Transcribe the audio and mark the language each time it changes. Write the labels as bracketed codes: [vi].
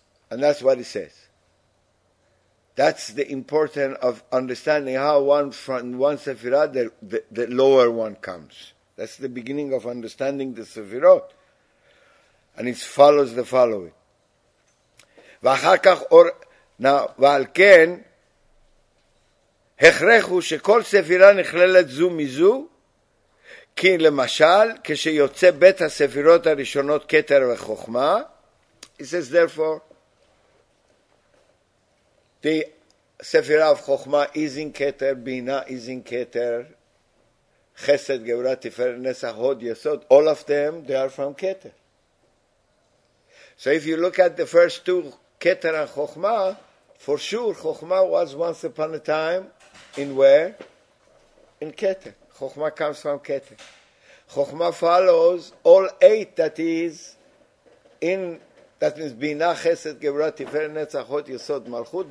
[en] And that's what he says. That's the importance of understanding how one from one Sefirah, the lower one comes. That's the beginning of understanding the Sefirot. And it follows the following. [he] ועל כן הכרחו שכל ספירה נכללת זו מזו, כי למשל כשיוצא בית הספירות הראשונות כתר וחוכמה, [en] he says therefore the ספירה of חוכמה is in כתר, בינה is in כתר, חסד, גבורה, תפארת, נצח, הוד, יסוד, all of them they are from כתר. So if you look at the first two, Keter and Chokhmah, for sure, Chokhmah was once upon a time in where? In Keter. Chokhmah comes from Keter. Chokhmah follows all eight that is in, that means Bina, Chesed, Gevurah, Tiferet, Netzach, Hod, Yesod, Malchut.